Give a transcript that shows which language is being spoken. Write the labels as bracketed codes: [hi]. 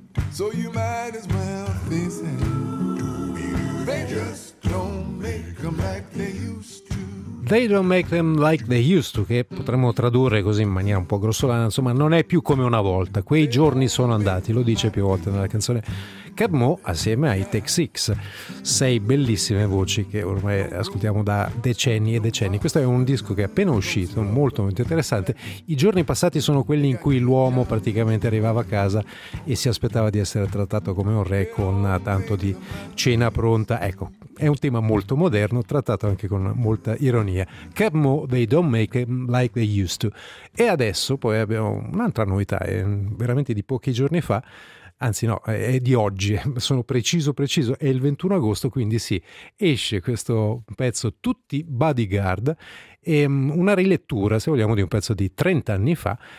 [en] So you might as well face it. They just don't make them like they used to. They don't make them like they used to, [it] che potremmo tradurre così in maniera un po' grossolana, insomma, non è più come una volta, quei giorni sono andati, lo dice più volte nella canzone Cab Mo assieme ai Take Six, sei bellissime voci che ormai ascoltiamo da decenni e decenni. Questo è un disco che è appena uscito, molto molto interessante. I giorni passati sono quelli in cui l'uomo praticamente arrivava a casa e si aspettava di essere trattato come un re con tanto di cena pronta, ecco. È un tema molto moderno, trattato anche con molta ironia. [en] Cab Mo, they don't make them like they used to. [it] E adesso poi abbiamo un'altra novità, è veramente di pochi giorni fa, anzi no, è di oggi, sono preciso, è il 21 agosto, quindi sì, esce questo pezzo tutti Bodyguard, è una rilettura, se vogliamo, di un pezzo di 30 anni fa.